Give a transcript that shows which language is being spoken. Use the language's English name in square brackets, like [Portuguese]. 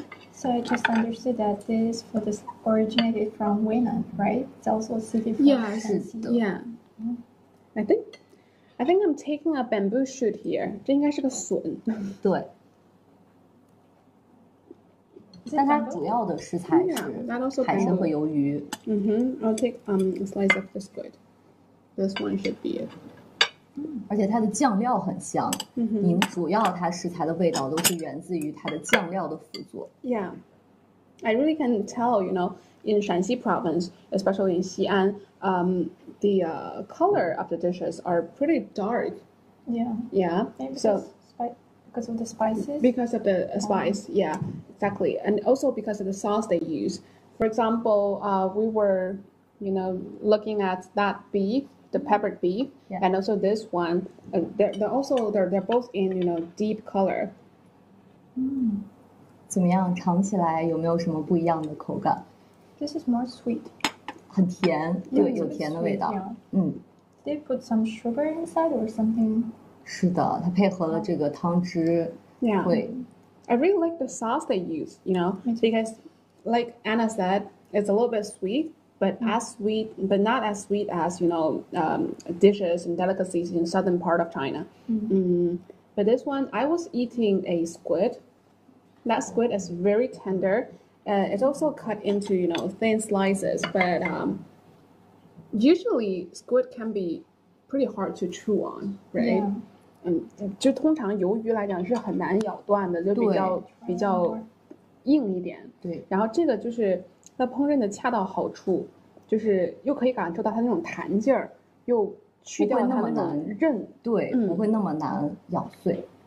[English] so I just understood that this food is originated from Wenan, right? It's also a city from Shanxi. Yeah. Mm-hmm. I think I'm taking a bamboo shoot here. [Chinese] 这应该是个笋。对。但它主要的食材是海参和鱿鱼。 [English] Mm-hmm. I'll take a slice of the squid. This one should be it. [Chinese] 而且它的酱料很香。Mm-hmm. 主要它食材的味道都是源自于它的酱料的辅佐。 [English] Yeah. I really can tell, you know, in Shanxi province, especially in Xi'an, the color of the dishes are pretty dark. Yeah. Yeah. Because of the spices? Because of the spice, yeah, exactly. And also because of the sauce they use. For example, we were, you know, looking at that beef, the peppered beef, and also this one. They're both in, you know, deep color. [Chinese] 怎么样？尝起来有没有什么不一样的口感？ [English] This is more sweet. [Chinese] 很甜，对，有甜的味道。 [English] Did they put some sugar inside or something? [Chinese] 是的，它配合了这个汤汁。 [English] I really like the sauce they use, you know, because like Anna said, it's a little bit sweet, but not as sweet as, you know, dishes and delicacies in the southern part of China. But this one, I was eating a squid. That squid is very tender. It's also cut into, you know, thin slices, but usually squid can be pretty hard to chew on, right? Yeah. [Chinese] 就通常鱿鱼来讲是很难咬断的，就比较硬一点。对。然后这个就是它烹饪的恰到好处，就是又可以感受到它那种弹劲儿，又去掉它那种韧，对，不会那么难咬碎，